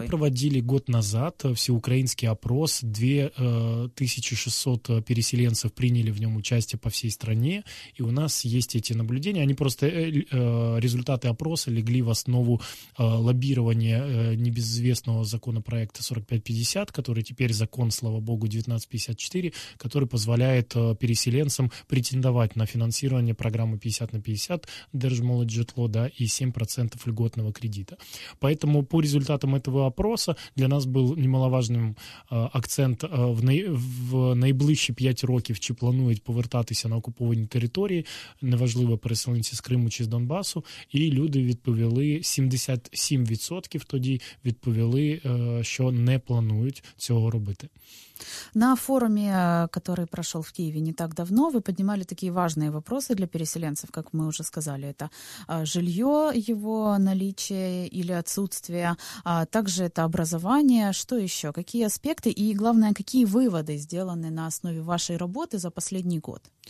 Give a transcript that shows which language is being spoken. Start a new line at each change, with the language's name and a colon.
Russian: Мы проводили год назад украинский опрос, 2600 переселенцев приняли в нем участие по всей стране, и у нас есть эти наблюдения, они просто, результаты опроса легли в основу лоббирования небезызвестного законопроекта 4550, который теперь закон, слава богу, 1954, который позволяет переселенцам претендовать на финансирование программы 50 на 50, Держмолодь Житло, да, и 7% льготного кредита. Поэтому по результатам этого опроса для нас был немаловажный акцент
Ukrainian: в найближчі 5 років, чи планують повертатися на окуповані території, неважливо, переселенці з Криму чи з Донбасу, і люди відповіли, 77% тоді відповіли, що не планують цього робити.
Russian: На форуме, который прошел в Киеве не так давно, вы поднимали такие важные вопросы для переселенцев, как мы уже сказали, это жилье, его наличие или отсутствие, а также это образование, что еще, какие аспекты и, главное, какие выводы сделаны на основе вашей работы за последний год?